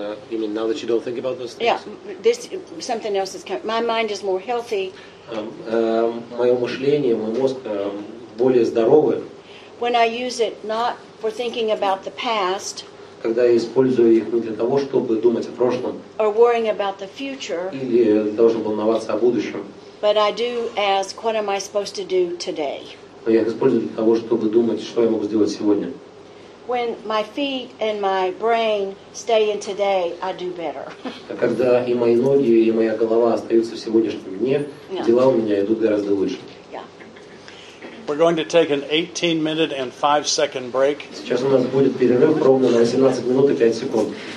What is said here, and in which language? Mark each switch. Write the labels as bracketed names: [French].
[English] You mean now that you don't think about those things? Yeah, this something else is coming. My mind is more healthy. [Russian] Мое мышление, мой мозг более здоровый. [English] When I use it not for thinking about the past. [Russian] Когда я использую их не для того, чтобы думать о прошлом. [English] Or worrying about the future. [Russian] Или должен волноваться о будущем. [English] But I do ask, what am I supposed to do today? [Russian] Но я их использую для того, чтобы думать, что я могу сделать сегодня. [English] When my feet and my brain stay in today, I do better. [Russian] Когда и мои ноги, и моя голова остаются в сегодняшнем дне, дела у меня идут гораздо лучше. [English] Yeah. We're going to take an 18-minute and 5-second break. [Russian] Сейчас у нас будет перерыв ровно на 17 минут и 5 секунд.